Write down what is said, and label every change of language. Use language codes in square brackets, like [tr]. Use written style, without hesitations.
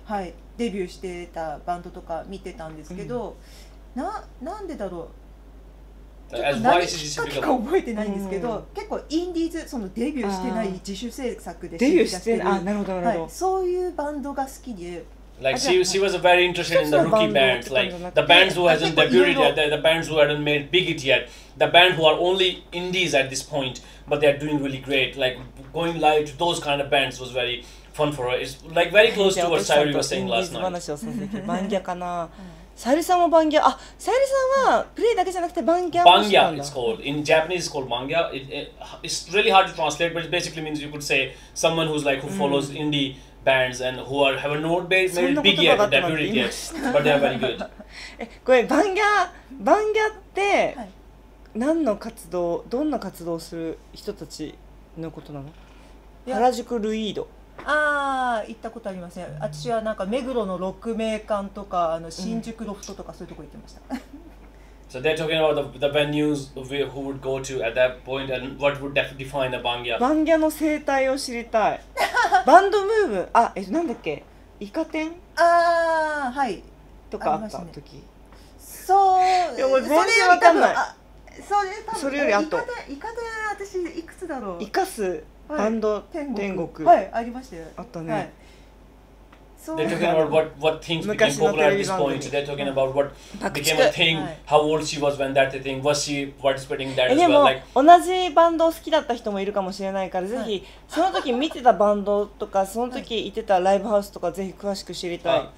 [ja] はい、デビューしてたバンドとか見てたんですけど、うん、なんでだろう、何きっかけか覚えてないんですけど、うん、結構インディーズそのデビューしてない自主制作でデビューしてない、あ、なるほどなるほど、はい、そういうバンドが好きで、 [en] Like she was very interested in the rookie bands, like the bands who hasn't debuted yet, the bands who hadn't made big it yet, the band who are only indies at this point, but they are doing really great. Like going live to those kind of bands was very fun for her. It's like very close to what Sayuri was saying last night. [ja] 話をさせて、バンギャかな。さゆりさんもバンギャ。あ、さゆりさんはプレイだけじゃなくてバンギャも好きなんだ。 [en] バンギャ、it's called. In Japanese, it's called manga. It's really hard to translate, but it basically means you could say someone who's like who follows indie. Bands and who are have a note base maybe big yet but they're very good. But they're very good. [ja] これバンギャバンギャって何の活動どんな活動をする人たちのことなの？原宿ルイード。ああ行ったことありません。私はなんか目黒の六名館とか新宿ロフトとかそういうとこ行ってました。 So they're talking about the venues who would go to at that point and what would define a bangya. Bangya の生態を知りたい。バンドムーブ、あ、なんだっけ、イカ天、あー、はい、とかあった時、ね、そう、いや、もう全然わかんない。そうね、多分それより後。イカ天、私いくつだろう。イカスバンド、はい、天国、はい、ありましたよ。あったね。はい、 [en] They're talking about what things became popular at this point. They're talking about what became a thing, how old she was when that thing, was she participating that as well? Like, [ja] 同じバンドを好きだった人もいるかもしれないから、ぜひその時見てたバンドとか、その時行ってたライブハウスとか、ぜひ詳しく知りたい。